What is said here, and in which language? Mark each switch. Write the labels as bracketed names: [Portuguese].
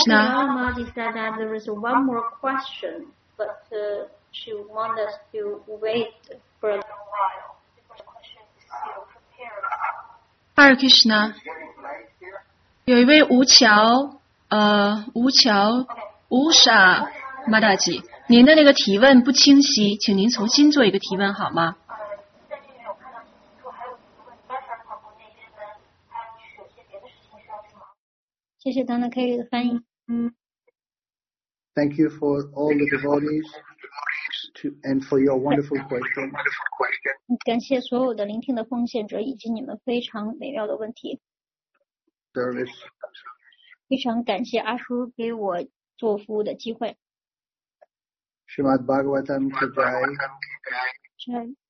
[English] Mahamadi said that there is one more question, but she wants us to wait for a little while. Hare Krishna. [Chinese] 有一位吴桥，吴桥吴莎马大吉，您的那个提问不清晰，请您重新做一个提问好吗？谢谢 Donna Kelly 的翻译。 [English] Thank you for all the devotees and for your wonderful question. [Chinese] 感谢所有的聆听的奉献者以及你们非常美妙的问题。 [English] Service. [Chinese] 非常感谢阿叔给我做服务的机会。 [Hindi] Srimad Bhagavatam Kijai. Jai.